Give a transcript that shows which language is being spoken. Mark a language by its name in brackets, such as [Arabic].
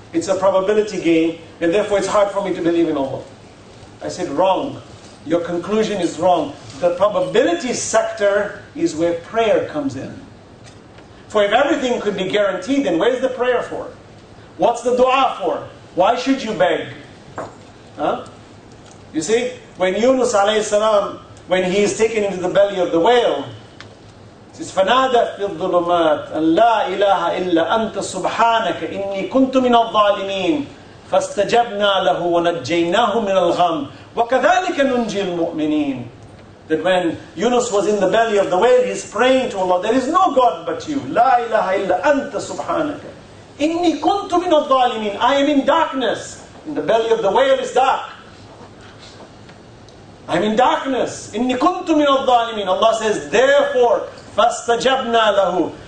[English] It's a probability game, and therefore it's hard for me to believe in Allah. I said, wrong. Your conclusion is wrong. The probability sector is where prayer comes in. For if everything could be guaranteed, then where's the prayer for? What's the dua for? Why should you beg? Huh? You see, when Yunus alayhi salam, when he is taken into the belly of the whale, says, [Arabic] فَنَادَ فِي الظُّلُمَاتِ أَنْ لَا إِلَهَ إِلَّا أَنْتَ سُبْحَانَكَ إِنِّي كُنْتُ مِنَ الظَّالِمِينَ فَاسْتَجَبْنَا لَهُ وَنَجَّيْنَاهُ مِنَ الْغَمِ وَكَذَلِكَ نُنْجِي الْمُؤْمِنِينَ. [English] That when Yunus was in the belly of the whale, he's praying to Allah, there is no God but you. [Arabic] La ilaha illa anta subhanaka. Inni kuntu min al-zalimin. [English] I am in darkness. In the belly of the whale is dark. I'm in darkness. [Arabic] Inni kuntu min al-zalimin. [English] Allah says, therefore, [Arabic] fastajabna lahu.